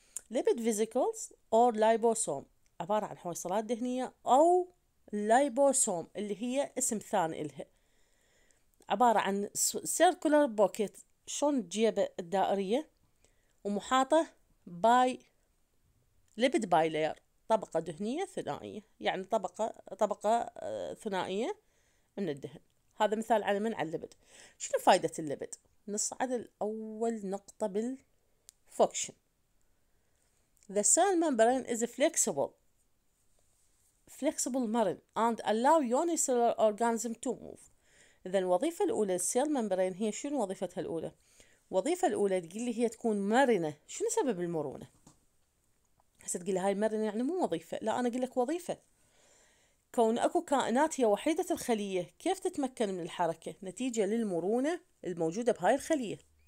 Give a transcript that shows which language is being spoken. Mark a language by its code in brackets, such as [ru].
[en] lipid vesicles or liposome [ar] عبارة عن حويصلات دهنية، أو لايبوسوم اللي هي اسم ثاني إلها، عبارة عن [en] circular pocket, [ar] شون جيبة الدائرية ومحاطة [en] by lipid bilayer, [ar] طبقة دهنية ثنائية، يعني طبقة ثنائية من الدهن. هذا مثال على من؟ على الليبيد. شنو فايدة الليبيد؟ نصعد الأول نقطة بالفوكشن. [en] The cell membrane is flexible marine and allow unicellular organism to move. [ar] إذن الوظيفة الأولى cell membrane هي شنو وظيفتها الأولى؟ وظيفة الأولى تقول لي هي تكون مرنة. شنو سبب المرونة؟ هسه تقول لي هاي مرنة يعني مو وظيفة، لا أنا أقول لك وظيفة. كون أكو كائنات هي وحيدة الخلية، كيف تتمكن من الحركة؟ نتيجة للمرونة الموجودة بهاي الخلية.